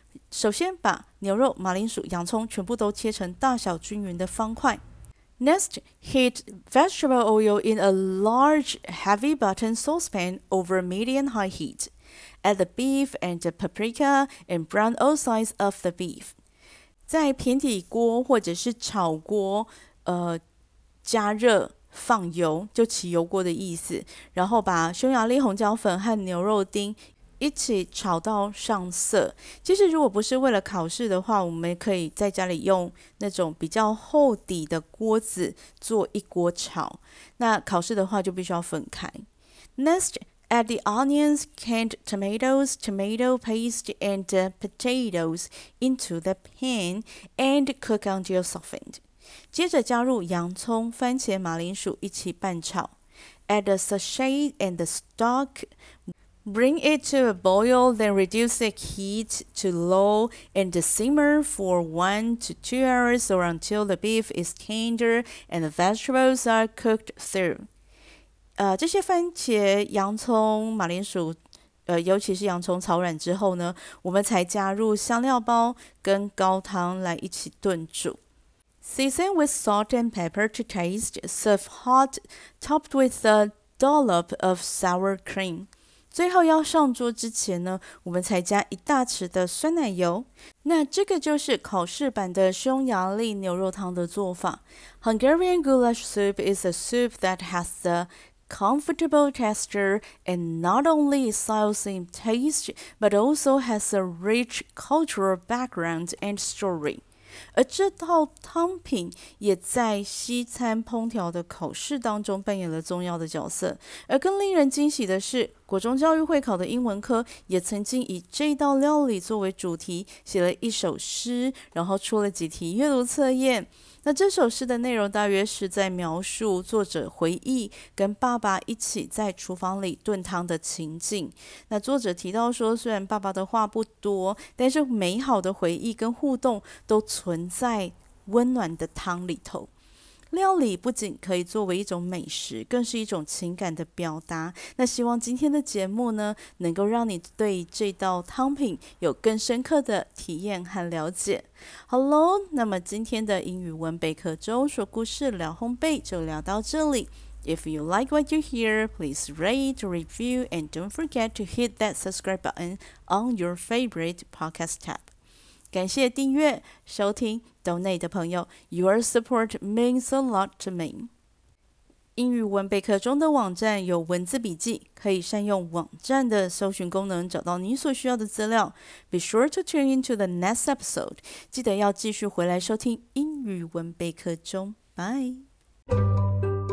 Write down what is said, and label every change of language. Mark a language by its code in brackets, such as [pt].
[zh] 首先把牛肉、马铃薯、洋葱全部都切成大小均匀的方块。 [en] Next, heat vegetable oil in a large, heavy button saucepan over medium-high heat. Add the beef and the paprika and brown all sides of the beef. [zh] 在平底锅或者是炒锅，加热放油，就起油锅的意思。然后把匈牙利红椒粉和牛肉丁一起炒到上色。其实，如果不是为了烤试的话，我们可以在家里用那种比较厚底的锅子做一锅炒。那烤试的话，就必须要分开。 [en] Next, add the onions, canned tomatoes, tomato paste, and potatoes into the pan and cook until softened. [zh] 接着加入洋葱、番茄、马铃薯一起拌炒。 [en] Add a sachet and the stock. Bring it to a boil, then reduce the heat to low and simmer for 1 to 2 hours or until the beef is tender and the vegetables are cooked through. [zh] 这些番茄、洋葱、马铃薯，尤其是洋葱炒软之后呢，我们才加入香料包跟高汤来一起炖煮。 [en] Season with salt and pepper to taste. Serve hot, topped with a dollop of sour cream. [zh] 最后要上桌之前呢，我们才加一大匙的酸奶油。那这个就是考试版的匈牙利牛肉汤的做法。 [en] Hungarian goulash soup is a soup that has the comfortable texture and not only excels in taste, but also has a rich cultural background and story. [zh] 而这道汤品也在西餐烹调的考试当中扮演了重要的角色。而更令人惊喜的是，国中教育会考的英文科也曾经以这道料理作为主题，写了一首诗，然后出了几题阅读测验。那这首诗的内容大约是在描述作者回忆跟爸爸一起在厨房里炖汤的情境。那作者提到说，虽然爸爸的话不多，但是美好的回忆跟互动都存在温暖的汤里头。料理不仅可以作为一种美食，更是一种情感的表达。那希望今天的节目呢，能够让你对这道汤品有更深刻的体验和了解。好喽，那么今天的英语文备课中说故事聊烘焙就聊到这里。 [en] If you like what you hear, please rate, review, and don't forget to hit that subscribe button on your favorite podcast tab. [zh] 感谢订阅、收听、donate 的朋友， [en] Your support means a lot to me。 [zh] 英语文备课中的网站有文字笔记，可以善用网站的搜寻功能找到你所需要的资料。 [en] Be sure to tune into the next episode。 [zh] 记得要继续回来收听英语文备课中。Bye。